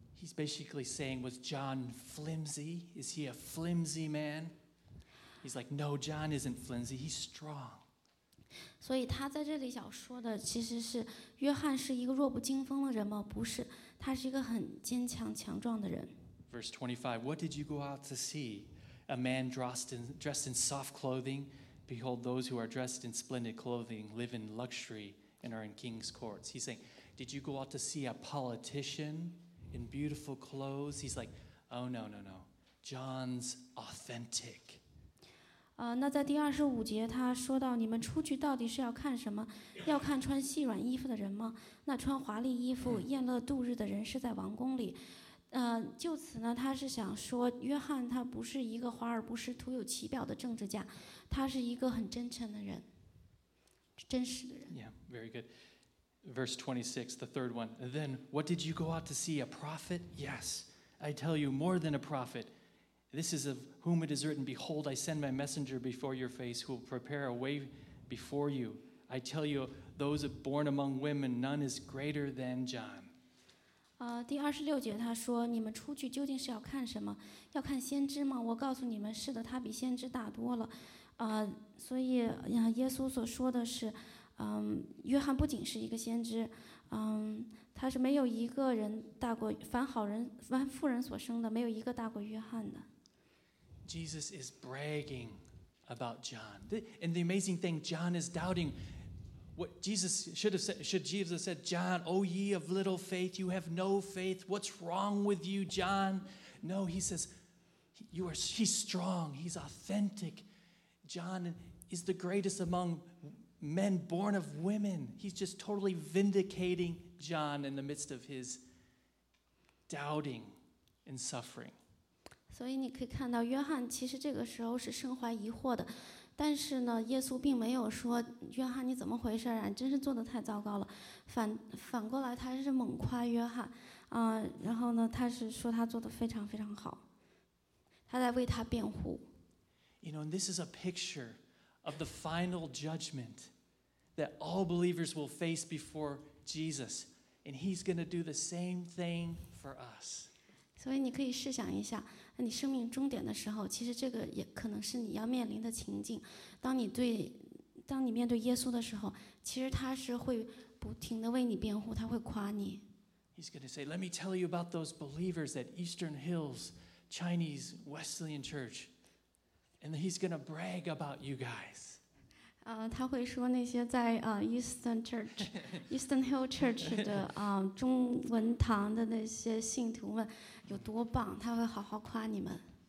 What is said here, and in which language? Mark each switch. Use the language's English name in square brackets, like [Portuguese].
[English] He's basically saying, was John flimsy? Is he a flimsy man? He's like, no, John isn't flimsy. He's strong. [Chinese] 所以他在这里想说的其实是约翰是一个弱不禁风的人吗？不是，他是一个很坚强强壮的人。 [English] Verse 25, what did you go out to see? A man dressed in soft clothing? Behold, those who are dressed in splendid clothing live in luxury and are in king's courts. He's saying, did you go out to see a politician in beautiful clothes? He's like, oh no, no, no. John's authentic. [Chinese] 那在第二十五节他说到，你们出去到底是要看什么？要看穿细软衣服的人吗？那穿华丽衣服宴乐度日的人是在王宫里。就此呢，他是想说约翰他不是一个华而不实徒有其表的政治家，他是一个很真诚的人，真实的人。 [English] Yeah, very good. Verse 26, the third one. Then what did you go out to see? A prophet? Yes, I tell you, more than a prophetThis is of whom it is written, Behold, I send my messenger before your face who will prepare a way before you. I tell you, those born among women, none is greater than John. [Chinese] 第26节他说，你们出去究竟是要看什么？要看先知吗？我告诉你们，是的，他比先知大多了。所以耶稣所说的是，约翰不仅是一个先知，他是没有一个人大过凡好人凡妇人所生的，没有一个大过约翰的。 [English] Jesus is bragging about John. And the amazing thing, John is doubting, What Jesus should have said, should Jesus have said, John, oh ye of little faith, you have no faith. What's wrong with you, John? No, he says, he's strong. He's authentic. John is the greatest among men born of women. He's just totally vindicating John in the midst of his doubting and suffering. [Chinese] 所以你可以看到约翰其实这个时候是身怀疑惑的，但是呢耶稣并没有说约翰你怎么回事啊，真是做得太糟糕了，反过来他是猛夸约翰啊，然后呢他是说他做得非常非常好，他在为他辩护。 [English] You know, this is a picture of the final judgment that all believers will face before Jesus, and he's going to do the same thing for us. [Chinese] 所以你可以试想一下，你生命终点的时候，其实这个也可能是你要面临的情境。当你面对耶稣的时候，其实他是会不停的为你辩护，他会夸你。 [English] He's going to say, "Let me tell you about those believers at Eastern Hills Chinese Wesleyan Church," and he's going to brag about you guys. [Chinese] 他会说那些在Eastern Hill Church 的中文堂的那些信徒们有多棒，他会好好夸你们。